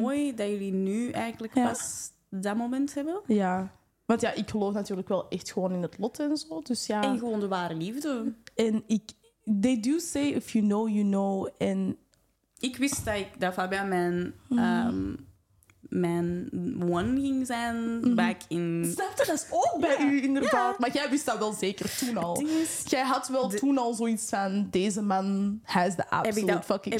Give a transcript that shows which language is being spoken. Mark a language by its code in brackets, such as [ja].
[nl] mooi dat jullie nu eigenlijk pas dat moment hebben. Ja. Want ja, ik geloof natuurlijk wel echt gewoon in het lot en zo. Dus ja. En gewoon de ware liefde. En ik... [en] They do say, if you know, you know. [nl] En... Ik wist dat Fabian mijn [en] one [nl] ging zijn [en] back in... [nl] Snap je, dat is ook bij u inderdaad. Ja. Maar jij wist dat wel zeker toen al. Jij had wel toen al zoiets van, deze man, hij is de absolute [en] fucking